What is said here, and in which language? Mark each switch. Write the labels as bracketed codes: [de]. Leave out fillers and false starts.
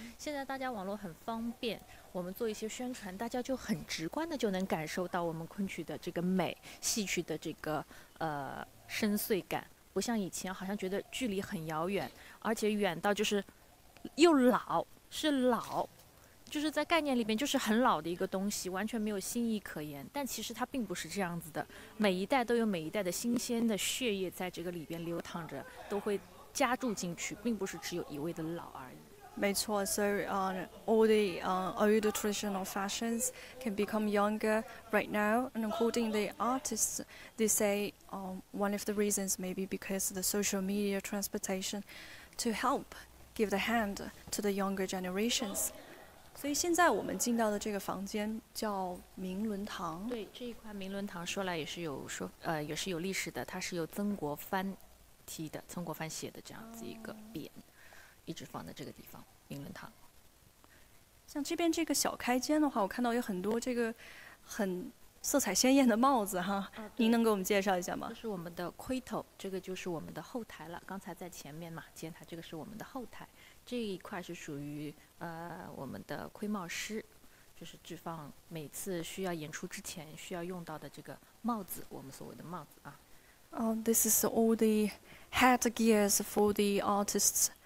[zh] 现在大家网络很方便，我们做一些宣传，大家就很直观的就能感受到我们昆曲的这个美，戏曲的这个深邃感，不像以前好像觉得距离很遥远，而且远到就是又老，是老，就是在概念里面就是很老的一个东西，完全没有新意可言。但其实它并不是这样子的，每一代都有每一代的新鲜的血液在这个里边流淌着，都会加注进去，并不是只有一味的老而已。没错， [en] so all the old traditional fashions can become younger right now, and according the artists, they say one of the reasons maybe because the social media transportation to help give the hand to the younger generations. [zh] 所以现在我们进到的这个房间叫明伦堂。对，这一块明伦堂说来也是有说也是有历史的，它是由曾国藩题的，曾国藩写的这样子一个匾。一直放在这个地方，明伦堂。像这边这个小开间的话，我看到有很多这个很色彩鲜艳的帽子哈，您能给我们介绍一下吗？这是我们的盔头，这个就是我们的后台了。刚才在前面嘛，前台这个是我们的后台，这一块是属于我们的盔帽师，就是置放每次需要演出之前需要用到的这个帽子，我们所谓的帽子啊。 [en] This is all the head gears for the artists.